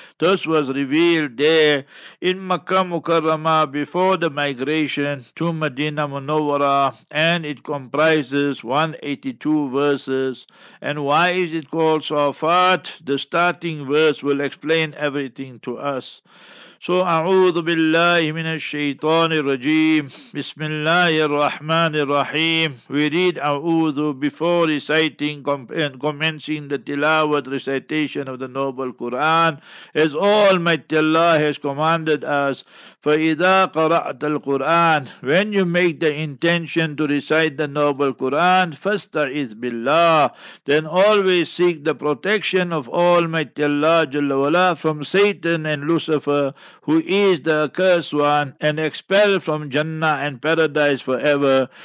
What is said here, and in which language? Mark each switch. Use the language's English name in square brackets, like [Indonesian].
[English] This was revealed there in Makkah Mukarramah before the migration to Medina Munawwara, and it comprises 182 verses. And why is it called Safat? The starting verse will explain everything to us. [Arabic] So, أعوذ بالله من الشيطان الرجيم بسم الله الرحمن الرحيم. [English] We read أعوذ before reciting and commencing the tilawat recitation of the noble Quran, as Almighty Allah has commanded us. [Arabic] فإذا قرأت القرآن, [English] when you make the intention to recite the noble Quran, [Arabic] فاستعذ بالله, [English] then always seek the protection of Almighty Allah جل وعلا from Satan and Lucifer, who is the accursed one, and expelled from Jannah and Paradise forever.